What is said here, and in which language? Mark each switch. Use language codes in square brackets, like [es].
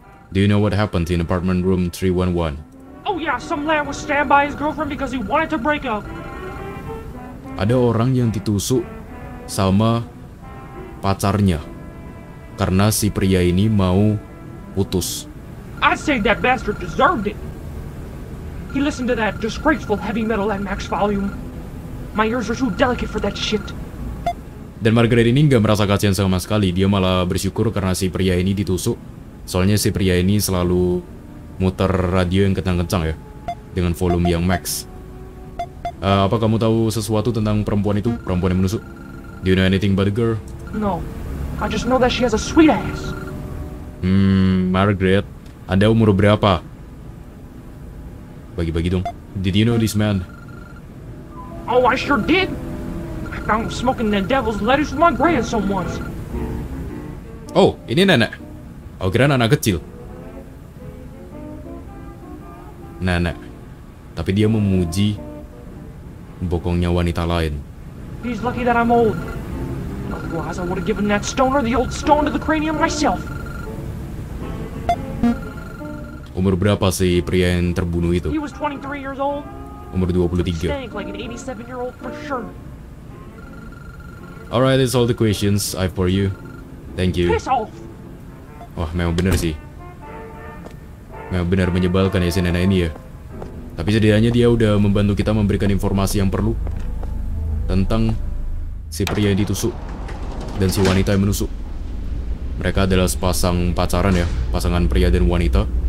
[en] Do you know what happened in apartment room 311? Oh yeah, some lad was stabbed by his girlfriend because he wanted to break up. [id] Ada orang yang ditusuk sama pacarnya karena si pria ini mau putus. [en] I say that bastard deserved it. He listened to that disgraceful heavy metal at max volume. My ears are too delicate for that shit. [id] Dan Margaret ini nggak merasa kasihan sama sekali. Dia malah bersyukur karena si pria ini ditusuk. Soalnya si pria ini selalu muter radio yang kencang-kencang ya, dengan volume yang max. Apa kamu tahu sesuatu tentang perempuan itu, perempuan yang menusuk? [en] Do you know anything about the girl? No, I just know that she has a sweet ass. [id] Margaret, Anda umur berapa? Bagi-bagi dong. [en] Did you know this man? Oh, I sure did. I found smoking the devil's lettuce with my grandson once. [id] Oh, ini nenek. Oh, kira anak kecil. Nenek. Tapi dia memuji bokongnya wanita lain. [en] He's lucky that I'm old. Otherwise, I would have given that stoner the old stone to the cranium myself. [id] Umur berapa si pria yang terbunuh itu? [en] He was 23 years old. [id] Umur 23. [en] Stank like an 87-year-old for sure. Alright, that's all the questions I have for you. Thank you. Piss off. [id] Wah, memang benar sih. Memang benar menyebalkan ya si nenek ini ya. Tapi setidaknya dia udah membantu kita memberikan informasi yang perlu tentang si pria yang ditusuk dan si wanita yang menusuk. Mereka adalah sepasang pacaran ya, pasangan pria dan wanita.